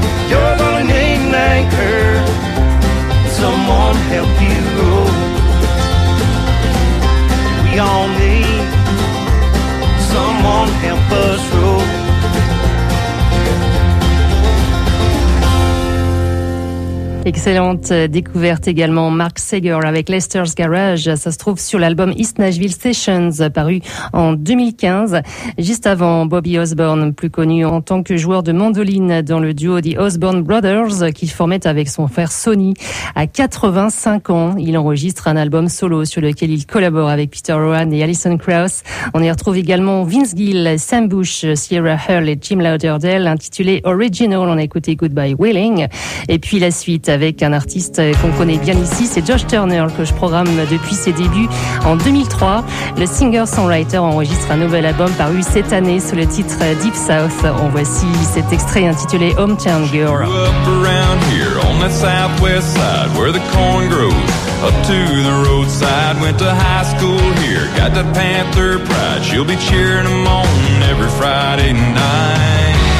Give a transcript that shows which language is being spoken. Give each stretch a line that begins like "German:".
English: You're gonna need an anchor, someone to help you grow. We all need someone to help us grow.
French: Excellente découverte également, Mark Seger avec Lester's Garage. Ça se trouve sur l'album East Nashville Sessions, paru en 2015. Juste avant, Bobby Osborne, plus connu en tant que joueur de mandoline dans le duo The Osborne Brothers, qu'il formait avec son frère Sonny. À 85 ans, il enregistre un album solo sur lequel il collabore avec Peter Rowan et Alison Krauss. On y retrouve également Vince Gill, Sam Bush, Sierra Hurl et Jim Lauderdale, intitulé Original. On a écouté Goodbye Wailing. Et puis la suite avec un artiste qu'on connaît bien ici, c'est Josh Turner, que je programme depuis ses débuts en 2003. Le singer-songwriter enregistre un nouvel album paru cette année sous le titre Deep South. En voici cet extrait intitulé Hometown Girl.
English: She grew up around here on the southwest side where the corn grows up to the roadside. Went to high school here, got the Panther pride. She'll be cheering them on every Friday night.